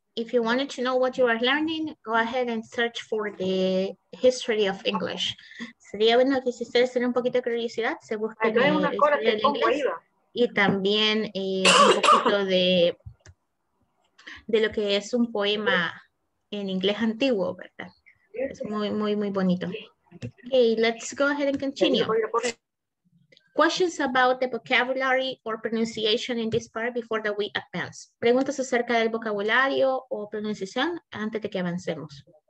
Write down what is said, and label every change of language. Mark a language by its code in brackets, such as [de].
[en] If you wanted to know what you are learning, go ahead and search for the history of English. [es] Sería bueno que si ustedes tienen un poquito de curiosidad, se busquen la historia del inglés. Y también un poquito de lo que es un poema en inglés antiguo, ¿verdad? Es muy, muy, muy bonito. [en] Okay, let's go ahead and continue. Questions about the vocabulary or pronunciation in this part before that we advance. [es] Preguntas acerca del vocabulario o pronunciación antes de que avancemos.